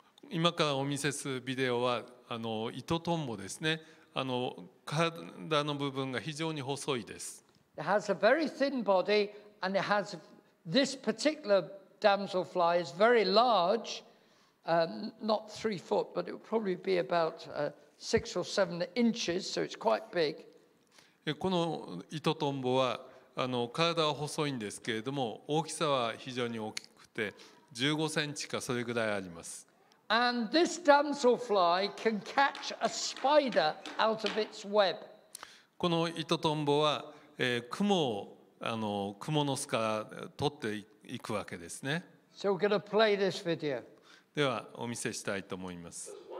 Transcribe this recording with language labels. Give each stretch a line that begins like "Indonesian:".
Japanese: 今からお見せするビデオは糸トンボですね。体の部分が非常に細いです。
English: It has a very thin body and it has this particular damselfly is very large, not 3 foot, but it would probably be about 6 or 7 inches, so it's quite big.
Japanese: この糸トンボは体は細いんですけれども大きさは非常に大きくて15センチかそれぐらいあります。
English: And this damselfly can catch a spider out of its web.
Japanese: この糸トンボは、蜘蛛を蜘蛛の巣から取っていくわけですね。
English: So we're going to play this video.
Japanese: ではお見せしたいと思います。